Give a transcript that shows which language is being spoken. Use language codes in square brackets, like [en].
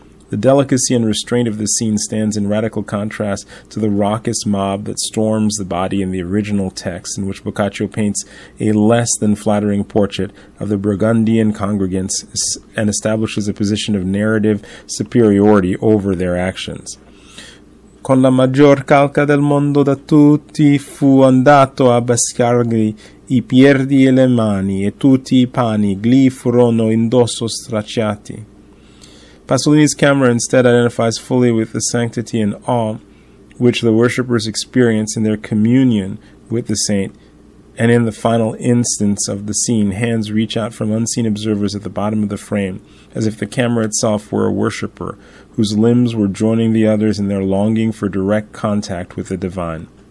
[en] The delicacy and restraint of the scene stands in radical contrast to the raucous mob that storms the body in the original text, in which Boccaccio paints a less than flattering portrait of the Burgundian congregants and establishes a position of narrative superiority over their actions. [it] Con la maggior calca del mondo da tutti fu andato a bascargli i piedi e le mani e tutti i pani gli furono indosso stracciati. [en] Pasolini's camera instead identifies fully with the sanctity and awe which the worshippers experience in their communion with the saint, and in the final instance of the scene, hands reach out from unseen observers at the bottom of the frame, as if the camera itself were a worshipper whose limbs were joining the others in their longing for direct contact with the divine.